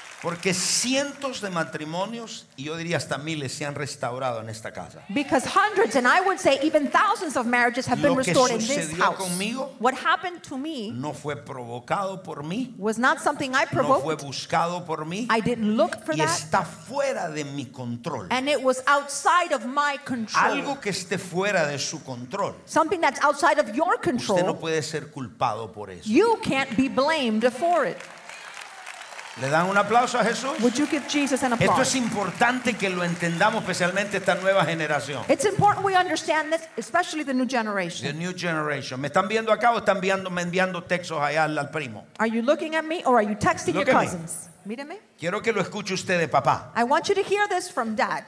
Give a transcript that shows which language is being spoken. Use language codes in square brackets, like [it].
[es] Porque cientos de matrimonios y yo diría hasta miles se han restaurado en esta casa. [en] Because hundreds and I would say even thousands of marriages have been restored in this house. [es] Lo que sucedió conmigo, [en] what happened to me, [es] no fue provocado por mí, [en] was not something I provoked, [es] no fue buscado por mí, [en] I didn't look for [es] y [en] that, [es] y está fuera de mi control. [en] And it was outside of my control. [es] Algo que esté fuera de su control, [en] something that's outside of your control, [es] usted no puede ser culpado por eso. [en] You can't be blamed for it. [es] ¿Le dan un aplauso a Jesús? [en] Would you give Jesus an applause? [es] Esto es importante que lo entendamos, especialmente esta nueva generación. [en] It's important we understand this, especially the new generation. The new generation. [es] ¿Me están viendo acá o están enviando textos allá al primo? [en] Are you looking at me or are you texting Look your cousins? [es] Míreme. Quiero que lo escuche usted de papá. [en] I want you to hear this from dad.